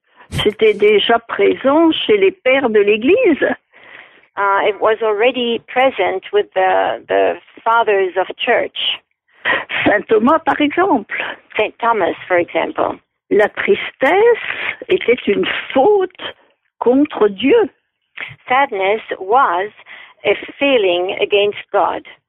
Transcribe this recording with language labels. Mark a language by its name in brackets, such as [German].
[French] C'était déjà présent chez les pères de l'Église. [English] it was already present with the fathers of church. [French] Saint Thomas, par exemple. [English] Saint Thomas, for example. [French] La tristesse était une faute contre Dieu. [English] Sadness was a failing against God.